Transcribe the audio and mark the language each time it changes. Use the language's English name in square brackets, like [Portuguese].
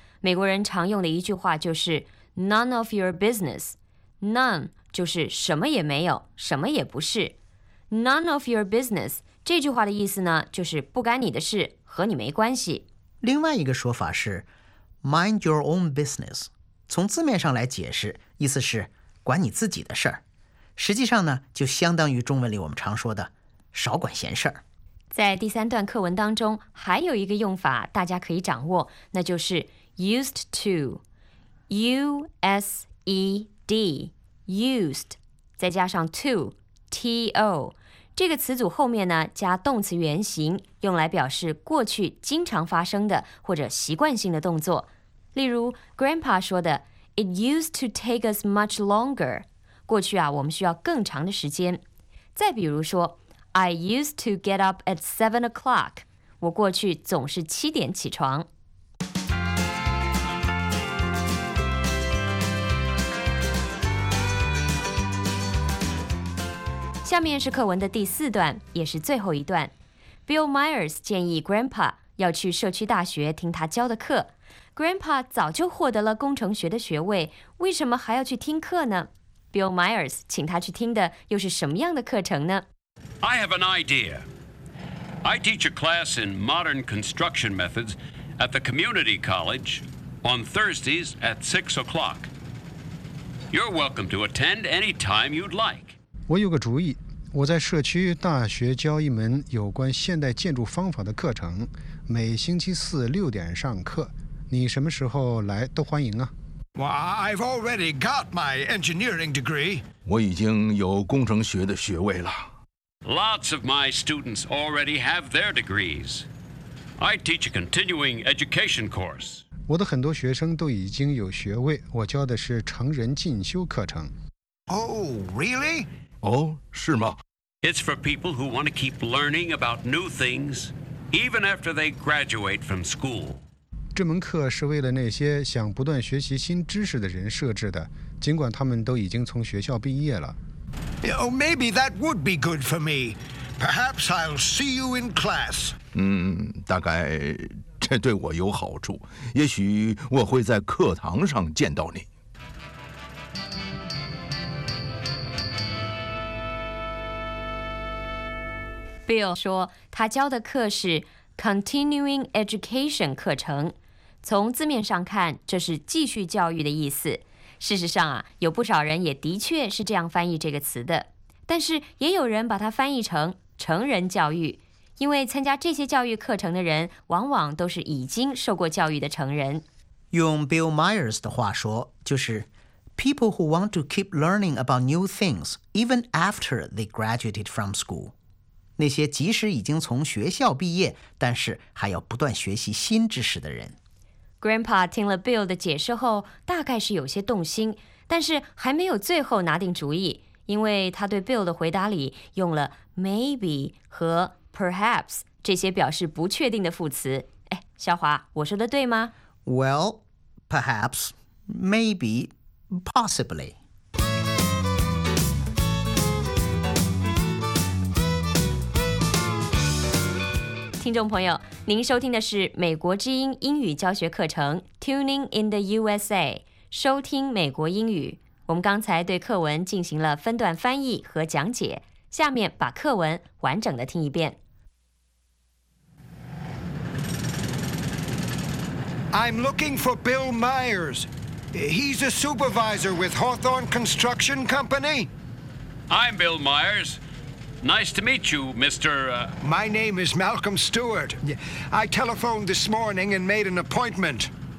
[Chinese] 美国人常用的一句话就是 [English] None of your business。 [Chinese] None 就是什么也没有，什么也不是。 [English] None of your business [Chinese] 这句话的意思呢，就是不干你的事，和你没关系。另外一个说法是 [English] Mind your own business。 [Chinese] 从字面上来解释，意思是管你自己的事儿。实际上呢，就相当于中文里我们常说的少管闲事儿。在第三段课文当中，还有一个用法大家可以掌握，那就是 used to。 used used 再加上 to to 这个词组后面呢加动词原形，用来表示过去经常发生的或者习惯性的动作。例如 Grandpa 说的 [English] It used to take us much longer， [Chinese] 过去啊我们需要更长的时间。 [English] 再比如说 I used to get up at 7 o'clock， [Chinese] 我过去总是7点起床。下面是课文的第四段，也是最后一段。Bill Myers 建议 Grandpa 要去社区大学听他教的课。 Grandpa 早就获得了工程学的学位，为什么还要去听课呢？ Bill Myers 请他去听的又是什么样的课程呢？ [English] I have an idea. I teach a class in modern construction methods at the community college on Thursdays at 6 o'clock. You're welcome to attend any time you'd like. [Chinese] 我有个主意，我在社区大学教一门有关现代建筑方法的课程，每星期四6点上课，你什么时候来都欢迎啊。 [English] Well, I've already got my engineering degree. [Chinese] 我已经有工程学的学位了。 [English] Lots of my students already have their degrees. I teach a continuing education course. [Chinese] 我的很多学生都已经有学位，我教的是成人进修课程。 [English] Oh, really? [Chinese] 是吗？ [English] It's for people who want to keep learning about new things, even after they graduate from school. [Chinese] 这门课是为了那些想不断学习新知识的人设置的，尽管他们都已经从学校毕业了。 [English] Oh, maybe that would be good for me. Perhaps I'll see you in class. [Chinese] 大概这对我有好处。也许我会在课堂上见到你。 Bill 说他教的课是 Continuing Education 课程，从字面上看这是继续教育的意思。事实上啊，有不少人也的确是这样翻译这个词的，但是也有人把它翻译成成人教育，因为参加这些教育课程的人往往都是已经受过教育的成人。用 Bill Myers 的话说，就是 [English] People who want to keep learning about new things even after they graduated from school， [Chinese] 那些即使已经从学校毕业，但是还要不断学习新知识的人。 Grandpa 听了 Bill 的解释后，大概是有些动心，但是还没有最后拿定主意，因为他对 Bill 的回答里用了 maybe 和 perhaps 这些表示不确定的副词。哎，小华，我说的对吗？ [English] Well, perhaps, maybe, possibly. [Chinese] 听众朋友，您收听的是美国之音英语教学课程 Tuning in the USA， 收听美国英语。我们刚才对课文进行了分段翻译和讲解，下面把课文完整的听一遍。 [English] I'm looking for Bill Myers. He's a supervisor with Hawthorne Construction Company. I'm Bill Myers. Nice to meet you, Mr. My name is Malcolm Stewart. I telephoned this morning and made an appointment.